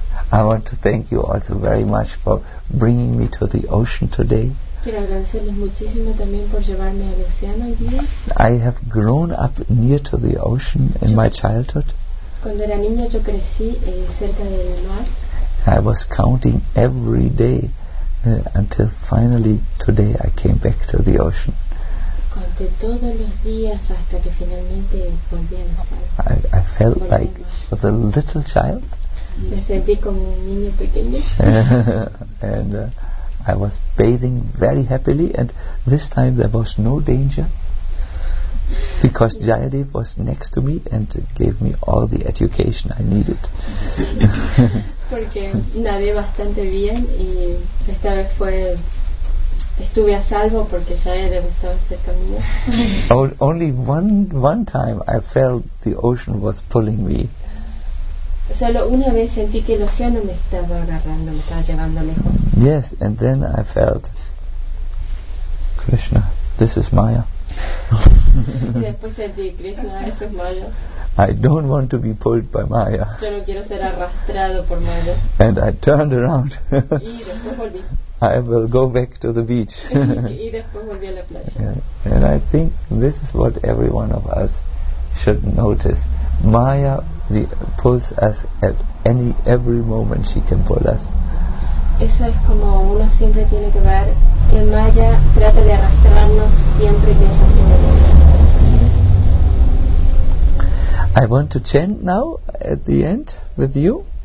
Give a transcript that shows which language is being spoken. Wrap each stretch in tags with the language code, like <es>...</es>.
<en>I want to thank you also very much for bringing me to the ocean today.</en> <es>Quiero agradecerles muchísimo también por llevarme al océano hoy día.</es> <en>I have grown up near to the ocean in my childhood.</en> <es>Cuando era niño yo crecí cerca del mar.</es> <en>I was counting every day until finally today I came back to the ocean.</en> <es>Conté todos los días hasta que finalmente volví a</es> <en>I felt like was a little child.</en> <es>Me sentí como un niño pequeño.</es> <en>And I was bathing very happily, and this time there was no danger because Jayadev was next to me and gave me all the education I needed.</en> <es>Porque nadé bastante bien y esta vez estuve a salvo porque Jayadev estaba cerca mío.</es> <en>Only one time I felt the ocean was pulling me.</en> <es>Solo una vez sentí que el océano me estaba agarrando, me estaba llevando lejos.</es> <en>Yes, and then I felt Krishna, this is Maya.</en> <es>Después sentí, Krishna, esto es Maya.</es> <en>I don't want to be pulled by Maya.</en> <es>Yo no quiero ser arrastrado por Maya.</es> <en>And I turned around.</en> <es>Y después volví.</es> <en>I will go back to the beach.</en> <es>Y después volví a la playa.</es> <en>And I think this is what every one of us should notice. Maya pulls us at every moment she can pull us.</en> <es>Eso es como uno siempre tiene que ver que Maya trata de arrastrarnos siempre que ella tiene</es> <en>I want to chant now at the end with you.</en>